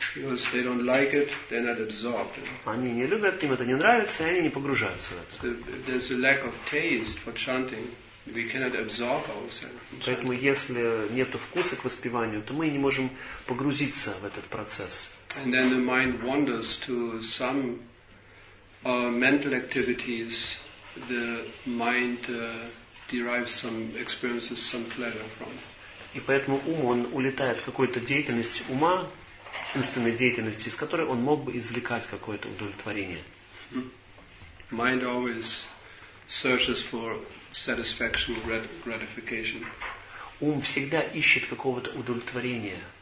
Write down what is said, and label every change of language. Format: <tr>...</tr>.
<en>Because they don't like it, they're not absorbed.</en> <ru>Они не любят, им это не нравится, и они не погружаются в это.</ru> <en>So if there's a lack of taste for chanting, we cannot absorb ourselves.</en> <ru>Поэтому если нет вкуса к воспеванию, то мы не можем погрузиться в этот процесс.</ru> <en>And then the mind wanders to some mental activities. The mind derives some experiences, some pleasure from.</en> <ru>И поэтому ум он улетает в какую-то деятельность ума, чувственной деятельности, из которой он мог бы извлекать какое-то удовлетворение.</ru> <en>Mind always searches for satisfaction, gratification.</en> <ru>Ум всегда ищет какого-то удовлетворения.</ru>